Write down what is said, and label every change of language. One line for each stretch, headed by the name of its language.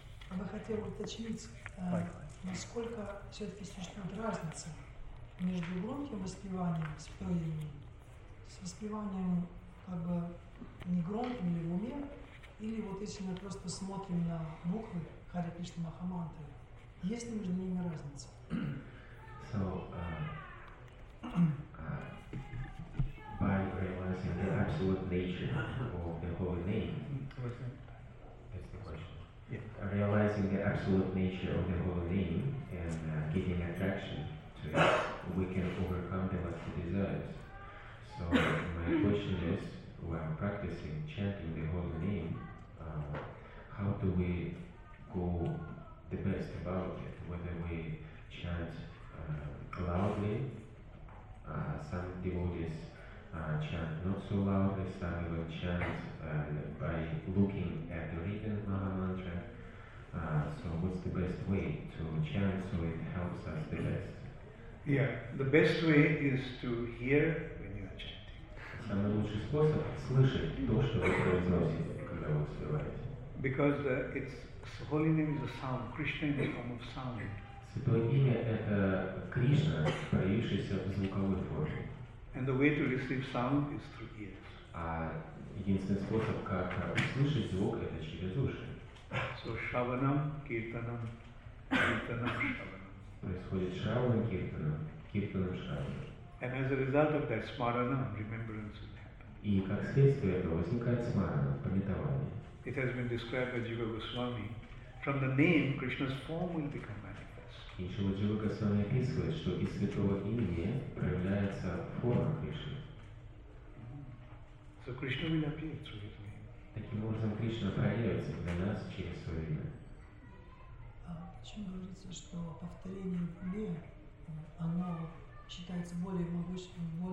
Russian: Я бы хотел уточнить, насколько все-таки существует разница между громким воспеванием святого имени с воспеванием как бы негромким или в уме, или вот если мы просто смотрим на буквы Харе Кришна Маха Мантры, есть ли между ними разница?
English: So, by realizing the absolute nature of the holy name, that's the question. Yeah. Realizing the absolute nature of the holy name and getting attraction, we can overcome the lusty desires. So my question is, while practicing chanting the holy name, how do we go the best about it? Whether we chant loudly, some devotees chant not so loudly, some even chant by looking at the written Maha Mantra. So what's the best way to chant so it helps us the best? Yeah, the best way is to hear when you are chanting.
Russian: Самый лучший способ слышать то, что вы произносите, когда вы воспеваете.
English: Because it's holy name is a sound. Krishna in the form of sound.
Russian: Святое имя это Кришна, проявившийся в звуковой форме.
English: And the way to receive sound is through ears.
Russian: А единственный способ, как услышать звук, это через уши.
English: So shravanam, kirtanam, kirtanam, shravanam.
Russian: Происходит шравана киртана, киртана шравана.
English: And as a result of that smarana, remembrance will happen.
Russian: И как следствие этого возникает смарана, памятование.
English: It has been described by Jiva Goswami, from the name Krishna's form will become manifest.
Russian: И Шрила Джива Госвами описывает, что из святого имени проявляется форма Кришны.
English: So Krishna will appear through his name.
Russian: Таким образом Кришна проявится для нас через свое имя. Чем говорится, что повторение в уме, оно считается более могущественным.